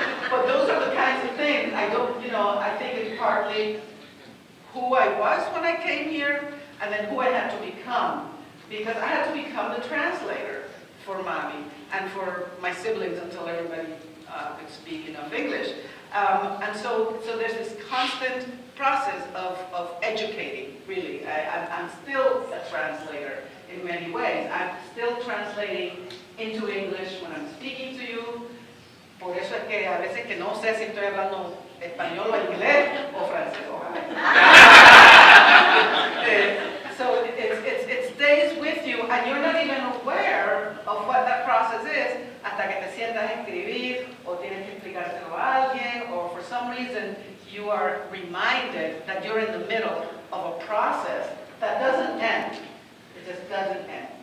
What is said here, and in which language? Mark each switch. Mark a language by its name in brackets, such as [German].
[English] But those are the kinds of things. I don't, you know, I think it's partly who I was when I came here, and then who I had to become, because I had to become the translator for Mommy and for my siblings until everybody could speak enough English. And so there's this constant process of educating, really. I'm still a translator in many ways. I'm still translating into English when I'm speaking to you. [Spanish] Por eso es que a veces que no sé si estoy hablando español o inglés o francés. [English] So it stays with you, and you're not even aware of what that process is [Spanish] hasta que te sientas a escribir o tienes que explicárselo a alguien, [English] or for some reason you are reminded that you're in the middle of a process that doesn't end. It just doesn't end.